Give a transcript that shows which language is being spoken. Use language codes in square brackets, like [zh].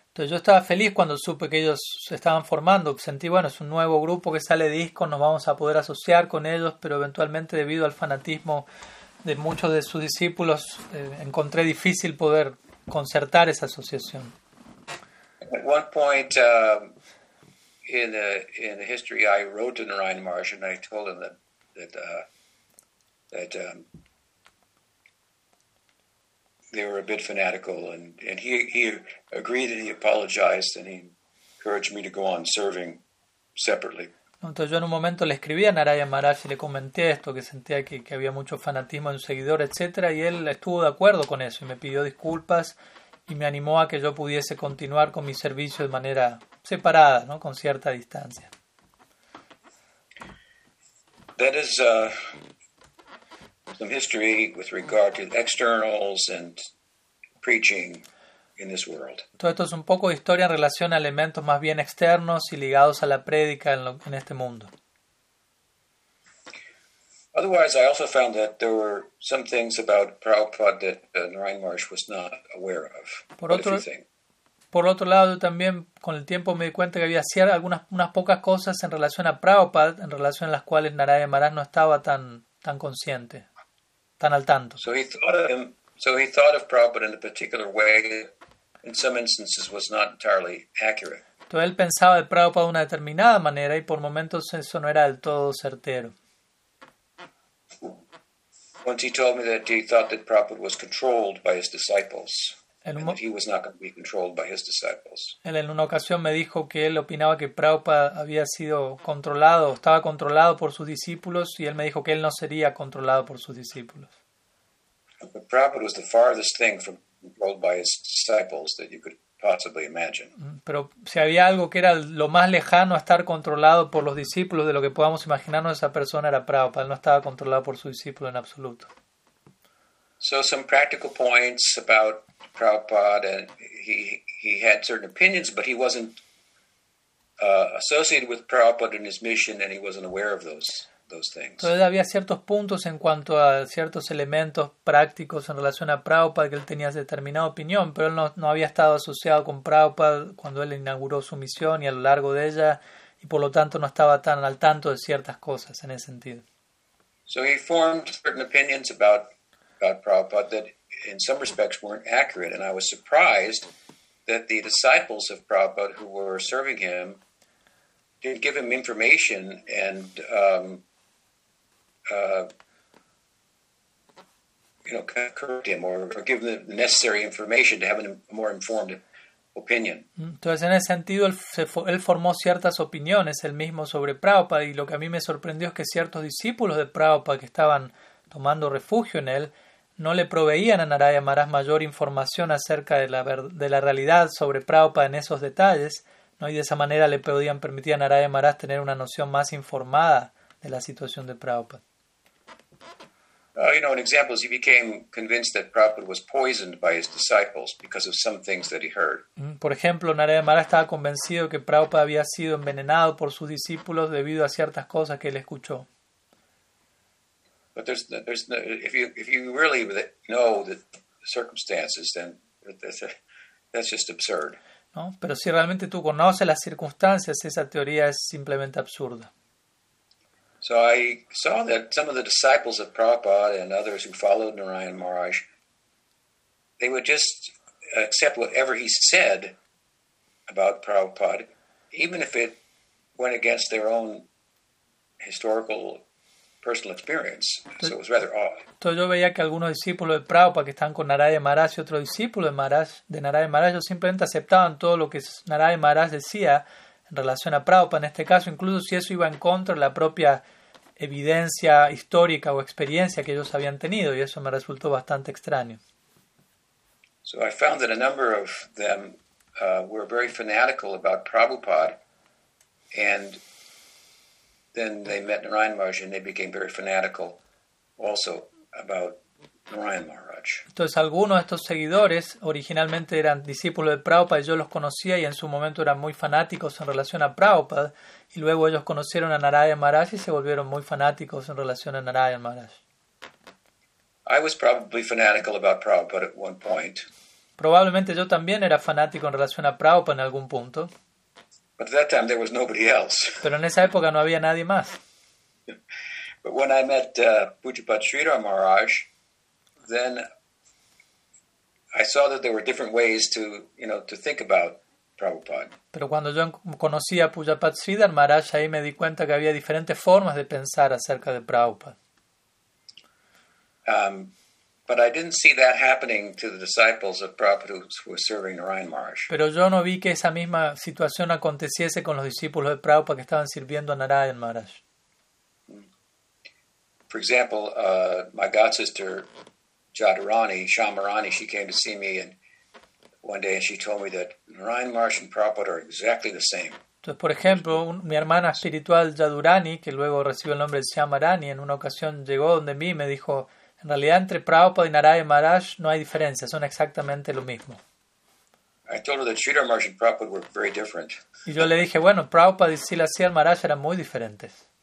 [es] Entonces yo estaba feliz cuando supe que ellos se estaban formando. Sentí, bueno, es un nuevo grupo que sale de ISKCON, nos vamos a poder asociar con ellos, pero eventualmente debido al fanatismo de muchos de sus discípulos, encontré difícil poder concertar esa asociación. [en] At one point in the history, I wrote to Narayan Maharaj and I told him that they were a bit fanatical, and he agreed and he apologized and he encouraged me to go on serving separately. [es] Entonces yo en un momento le escribí a Narayan Maharaj y le comenté esto, que sentía que había mucho fanatismo en su seguidor, etc. Y él estuvo de acuerdo con eso y me pidió disculpas y me animó a que yo pudiese continuar con mi servicio de manera separada, ¿no? Con cierta distancia. [en] That is some history with regard to externals and preaching in this world. [es] Todo esto es un poco de historia en relación a elementos más bien externos y ligados a la prédica en este mundo. [en] Otherwise, I also found that there were some things about Prabhupada that Narayan Maharaj was not aware of. [es] Por otro lado, yo también con el tiempo me di cuenta que había unas pocas cosas en relación a Prabhupada, en relación a las cuales Narayan Maharaj no estaba tan consciente, tan al tanto. [en] So he thought of Prabhupada in a particular way that in some instances was not entirely accurate. [es] Entonces él pensaba de Prabhupada de una determinada manera y por momentos eso no era del todo certero. [en] Once he told me that he thought that Prabhupada was controlled by his disciples, and that he was not going to be controlled by his disciples. [es] Él en una ocasión me dijo que él opinaba que Prabhupada había sido controlado, estaba controlado por sus discípulos, y él me dijo que él no sería controlado por sus discípulos. [en] But Prabhupada was the farthest thing from controlled by his disciples that you could possibly imagine. [es] Pero si había algo que era lo más lejano a estar controlado por los discípulos de lo que podamos imaginarnos, esa persona era Prabhupada. Él no estaba controlado por su discípulo en absoluto. [en] So some practical points about Prabhupada, and he had certain opinions, but he wasn't associated with Prabhupada and his mission, and he wasn't aware of those things. [es] Entonces había ciertos puntos en cuanto a ciertos elementos prácticos en relación a Prabhupada, que él tenía determinada opinión, pero él no había estado asociado con Prabhupada cuando él inauguró su misión y a lo largo de ella, y por lo tanto no estaba tan al tanto de ciertas cosas en ese sentido. [en] So he formed certain opinions about Prabhupada that in some respects weren't accurate, and I was surprised that the disciples of Prabhupada who were serving him did give him information and kind of correct him or give him the necessary information to have a more informed opinion. [es] Entonces, en ese sentido, él formó ciertas opiniones él mismo sobre Prabhupada, y lo que a mí me sorprendió es que ciertos discípulos de Prabhupada que estaban tomando refugio en él no le proveían a Narayan Maharaj mayor información acerca de la realidad sobre Prabhupada en esos detalles, ¿no? Y de esa manera le podían permitir a Narayan Maharaj tener una noción más informada de la situación de Prabhupada. [en] An example is he became convinced that Prabhupada was poisoned by his disciples because of some things that he heard. [es] Por ejemplo, Narayan Maharaj estaba convencido que Prabhupada había sido envenenado por sus discípulos debido a ciertas cosas que él escuchó. [en] But there's no, if you really know the circumstances, then that's just absurd. [es] No, pero si realmente tú conoces las circunstancias, esa teoría es simplemente absurda. [en] So I saw that some of the disciples of Prabhupada and others who followed Narayan Maharaj, they would just accept whatever he said about Prabhupada, even if it went against their own historical personal experience. So it was rather odd. [es] Entonces yo veía que algunos discípulos de Prabhupada que están con Narayan Maharaj y otro discípulo de Narayan Maharaj, ellos simplemente aceptaban todo lo que Narayan Maharaj decía en relación a Prabhupada en este caso, incluso si eso iba en contra de la propia evidencia histórica o experiencia que ellos habían tenido, y eso me resultó bastante extraño. [en] So I found that a number of them were very fanatical about Prabhupada, and then they met Narayan Maharaj and they became very fanatical also about Narayan Maharaj. [es] Entonces algunos de estos seguidores originalmente eran discípulos de Prabhupada y yo los conocía y en su momento eran muy fanáticos en relación a Prabhupada y luego ellos conocieron a Narayan Maharaj y se volvieron muy fanáticos en relación a Narayan Maharaj. [en] I was probably fanatical about Prabhupada at one point. [es] Probablemente yo también era fanático en relación a Prabhupada en algún punto. [en] But at that time there was nobody else. [es] Pero en esa época no había nadie más. [en] But when I met Pujapad Sridhar Maharaj, then I saw that there were different ways to, you know, to think about Prabhupada. [es] Pero cuando yo conocí a Pujapad Sridhar Maharaj, ahí me di cuenta que había diferentes formas de pensar acerca de Prabhupada. [en] But I didn't see that happening to the disciples of Prabhupada who were serving Narayan Maharaj. [es] Pero yo no vi que esa misma situación aconteciese con los discípulos de Prabhupada que estaban sirviendo a Narayan Maharaj. [en] For example, my god sister Jadurani, Shamarani, she came to see me and one day and she told me that Narayan Maharaj and Prabhupada are exactly the same. [es] Entonces, por ejemplo, mi hermana espiritual Jadurani, que luego recibió el nombre de Shamarani, en una ocasión llegó donde mí y me dijo: en realidad, entre Prabhupada y Narayan Maharaj no hay diferencia, son exactamente lo mismo. [en] I told her that Sridhar Maharaj and Prabhupada were very different. [es] Y yo le dije, bueno, Prabhupada y Silasiel Maharaj eran muy diferentes.